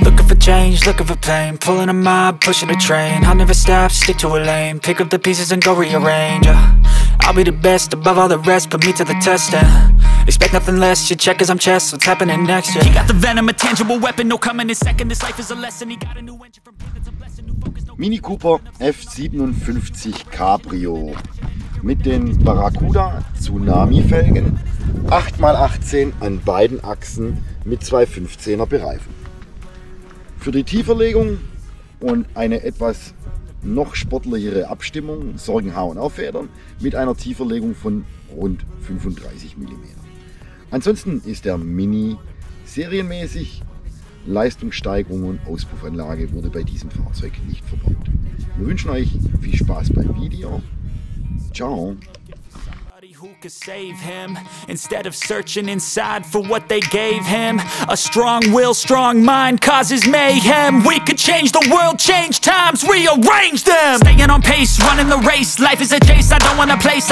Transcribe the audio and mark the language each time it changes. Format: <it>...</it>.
<en>Looking for change, looking for pain. Pulling a mob, pushing a train. I'll never stop, stick to a lane. Pick up the pieces and go rearrange, yeah. I'll be the best above all the rest, put me to the test, yeah. Expect nothing less, you check as I'm chess, what's happening next, yeah. He got the venom, a tangible weapon, no coming in second, this life is a lesson. He got a new engine from pain, that's a blessing, new focus, no...</en> <de>Mini Cooper F57 Cabrio mit den Barracuda Tzunamee Felgen, 8x18 an beiden Achsen mit 2,15er Bereifung. Für die Tieferlegung und eine etwas noch sportlichere Abstimmung sorgen Haar- und Auffedern mit einer Tieferlegung von rund 35 mm. Ansonsten ist der Mini serienmäßig. Leistungssteigerung und Auspuffanlage wurde bei diesem Fahrzeug nicht verbaut. Wir wünschen euch viel Spaß beim Video. Ciao.</de> <en>Who could save him instead of searching inside for what they gave him? A strong will, strong mind causes mayhem. We could change the world, change times, rearrange them. Staying on pace, running the race. Life is a chase, I don't want a place.</en>